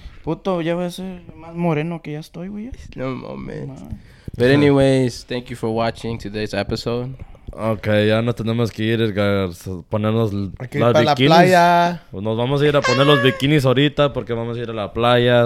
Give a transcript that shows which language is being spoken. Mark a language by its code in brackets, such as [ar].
[es] Puto, ya va a ser más moreno que ya estoy, güey. [en] No, man. But anyways, thank you for watching today's episode. [es] Okay, ya no tenemos que ir a ponernos aquí las bikinis. La playa. Nos vamos a ir a poner los bikinis ahorita porque vamos a ir a la playa.